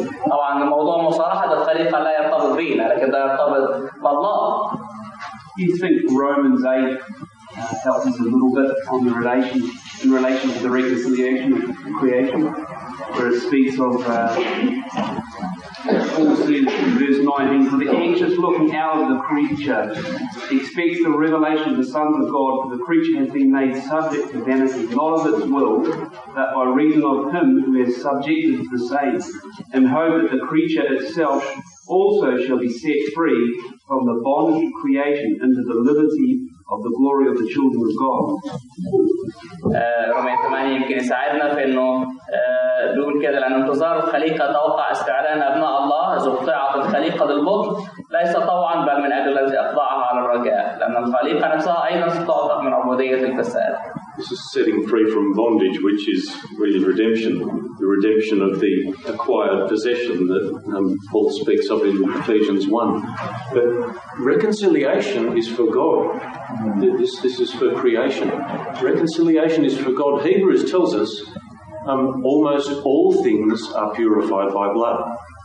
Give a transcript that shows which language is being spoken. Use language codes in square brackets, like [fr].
[ar] طبعا موضوع مصالحة الخليقة لا يرتبط بينا لكن ده يرتبط بالله. [en] You think Romans 8 helps us a little bit on the relationship in relation to the reconciliation of creation, where it speaks of in verse 19, for the anxious looking out of the creature expects the revelation of the sons of God, for the creature has been made subject to vanity, not of its will, but by reason of him who has subjected to the same, in hope that the creature itself also shall be set free from the bondage of creation into the liberty of the glory of the children of God. [ar] رومية 8 يمكن يساعدنا في أنه بيقول كده لأن انتظار الخليقة توقع استعلان أبناء الله إذ اقتطعت الخليقة للبغض ليس طوعا بل من أجل الذي أقطعها على الرجاء لأن الخليقة نفسها أيضا ستعتق من عبودية الفساد. [en] This is setting free from bondage, which is really redemption, the redemption of the acquired possession that Paul speaks of in Ephesians 1. But reconciliation is for God. This is for creation. Reconciliation is for God. Hebrews tells us almost all things are purified by blood.